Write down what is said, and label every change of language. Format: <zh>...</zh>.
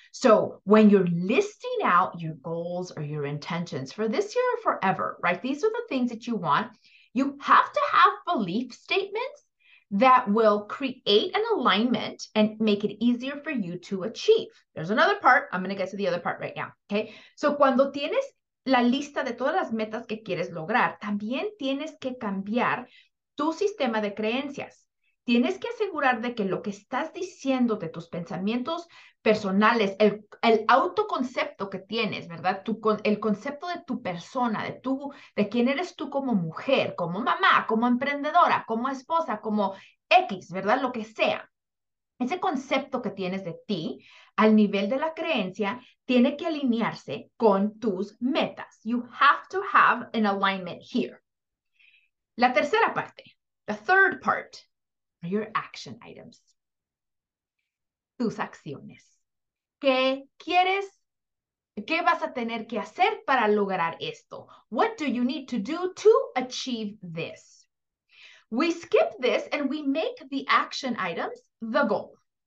<en>So when you're listing out your goals or your intentions for this year or forever, right? These are the things that you want. You have to have belief statements that will create an alignment and make it easier for you to achieve. There's another part. I'm going to get to the other part right now, okay?</en> <es>So cuando tienes la lista de todas las metas que quieres lograr, también tienes que cambiar tu sistema de creencias. Tienes que asegurar de que lo que estás diciendo de tus pensamientos personales, el autoconcepto que tienes, ¿verdad? El concepto de tu persona, de quién eres tú como mujer, como mamá, como emprendedora, como esposa, como X, ¿verdad? Lo que sea. Ese concepto que tienes de ti al nivel de la creencia tiene que alinearse con tus metas.</es> <en>You have to have an alignment here.</en> <es>La tercera parte,</es> <en>the third part, are your action items.</en> <es>Tus acciones. ¿Qué quieres? ¿Qué vas a tener que hacer para lograr esto?</es> <en>What do you need to do to achieve this? We skip this and we make the action items the goal.</en>